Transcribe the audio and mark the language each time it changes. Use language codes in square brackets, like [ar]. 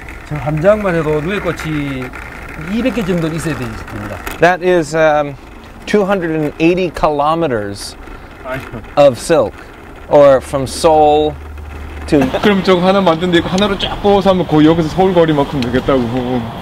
[ko] 저 한 장만 해도 누에 꽃이 200개 정도 있어야 됩니다. [en] That is 280 kilometers of silk, or from Seoul. [ko] 그럼 저거 하나 만든데 이거 하나로 쫙 뽑아서 하면 거의 여기서 서울 거리만큼 되겠다고.